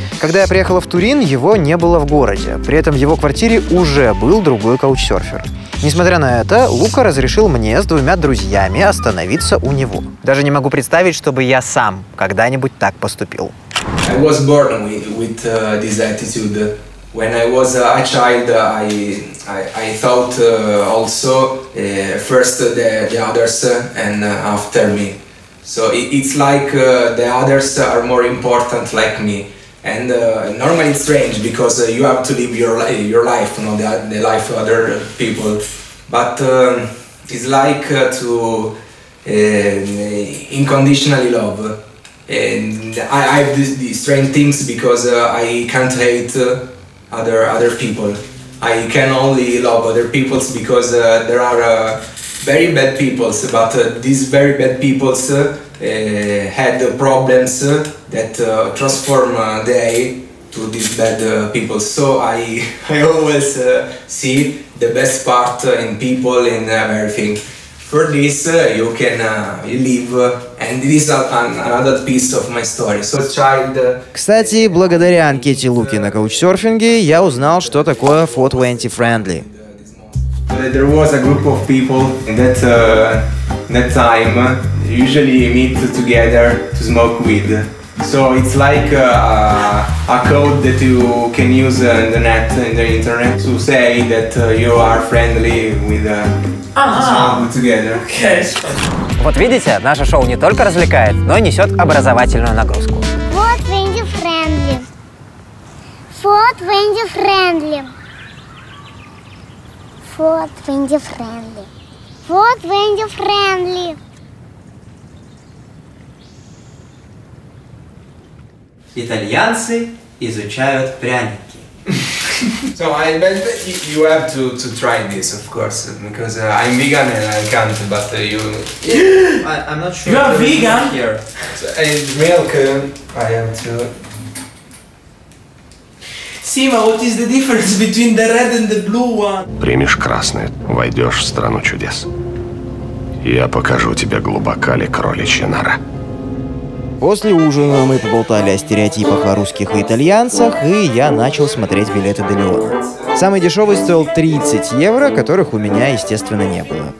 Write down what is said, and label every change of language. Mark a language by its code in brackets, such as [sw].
[ru] Когда я приехала в Турин, его не было в городе. При этом в его квартире уже был другой каучсерфер. Несмотря на это, Лука разрешил мне с 2 друзьями остановиться у него. Даже не могу представить, чтобы я сам когда-нибудь так поступил. [en] I was born with this attitude. When I was a child, I thought also first the others and after me. So it's like the others are more important like me. And normally it's strange because you have to live your life, you know, the life of other people. But it's like to unconditionally love. And I have these strange things because I can't hate other people. I can only love other people because there are very bad people, but these very bad people had the problems that transform they to these bad people. So I always see the best part in people and everything. For this, you can live, and this is another piece of my story. So child. [ru] Кстати, благодаря анкете Луки на каучсерфинге я узнал, что такое 420 friendly. [en] There was a group of people that that time usually meet together to smoke weed. So it's like a code that you can use on the net, in the internet, to say that you are friendly with someone together. Okay. [ru] Вот видите, наше шоу не только развлекает, но и несет образовательную нагрузку. Вот Wendy friendly. Вот Wendy friendly. Вот Wendy friendly. Вот Wendy friendly. Итальянцы изучают пряники. [en] So I bet you have to try this, of course, because I'm vegan and I can't, but you... I'm not sure. You are vegan? Here. So, and milk, I have to... Сима, what is the difference between the red and the blue one? [ru] Примешь красное, войдешь в страну чудес. Я покажу тебе, глубока ли кроличья нора. После ужина мы поболтали о стереотипах о русских и итальянцах, и я начал смотреть билеты до Лиона. Самый дешевый стоил 30 евро, которых у меня, естественно, не было.